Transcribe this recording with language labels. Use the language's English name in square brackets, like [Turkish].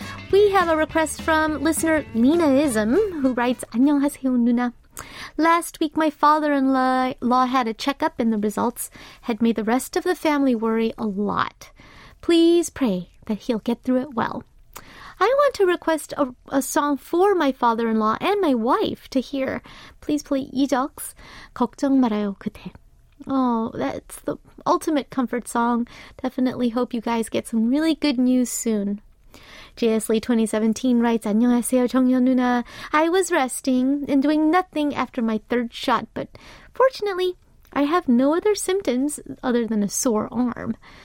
[English] We have a request from listener Lenaism, who writes, [Korean] 안녕하세요, 누나. [English] Last week, my father-in-law had a checkup, and the results had made the rest of the family worry a lot. Please pray that he'll get through it well. I want to request a song for my father-in-law and my wife to hear. Please play 이적's 걱정 말아요 그대. Oh, that's the ultimate comfort song. Definitely hope you guys get some really good news soon. JS Lee 2017 writes, [Korean] 안녕하세요, 정연 누나. [English] I was resting and doing nothing after my third shot, but fortunately, I have no other symptoms other than a sore arm.